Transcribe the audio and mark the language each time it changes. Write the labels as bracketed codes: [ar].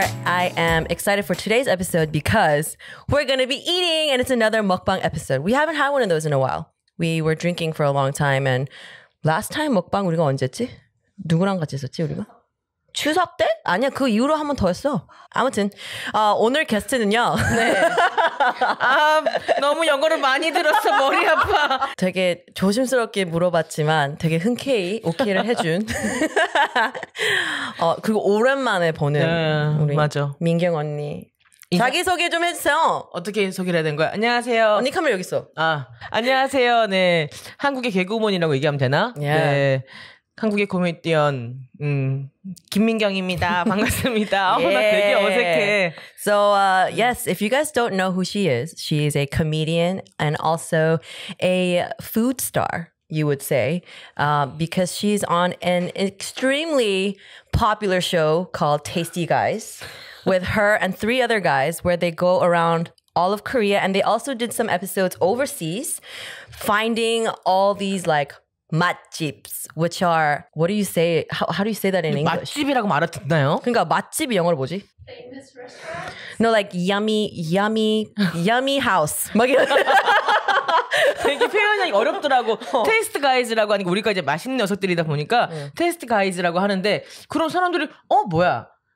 [en] I am excited for today's episode because we're going to be eating and it's another mukbang episode. We haven't had one of those in a while. We were drinking for a long time and last time mukbang [ko] 우리가 언제 했지? 누구랑 같이 했었지 우리가? 추석 때? 아니야, 그 이후로 한 번 더 했어. 아무튼 오늘 게스트는요. 네. 너무 영어를 많이 들어서 머리 아파. 되게 조심스럽게 물어봤지만 되게 흔쾌히 오케이를 해준 그리고 오랜만에 보는 우리 맞아. 민경 언니. 자기소개 좀 해주세요. 어떻게 소개를 해야 되는 거야? 안녕하세요. 언니 카메라 여기 있어. 아, 안녕하세요. 네, 한국의 개그우먼이라고 얘기하면 되나? [en] Yeah. [ko] 네. 한국의 코미디언 김민경입니다. 반갑습니다. 예. 나 되게 어색해. [en] So yes, if you guys don't know who she is a comedian and also a food star, you would say, because she's on an extremely popular show called Tasty Guys with her and three other guys where they go around all of Korea and they also did some episodes overseas finding all these like 맛집s, which are, what do you say, how do you say that in English? [ko] 맛집이라고 말을 듣나요? 그러니까 맛집이 영어로 뭐지? [en] Famous restaurants? No, like yummy house. [ko] 막 이렇게 표현하기 어렵더라고. 테이스트 가이즈라고 하니까 우리가 이제 맛있는 녀석들이다 보니까 테이스트 가이즈라고 하는데 그런 사람들이 뭐야?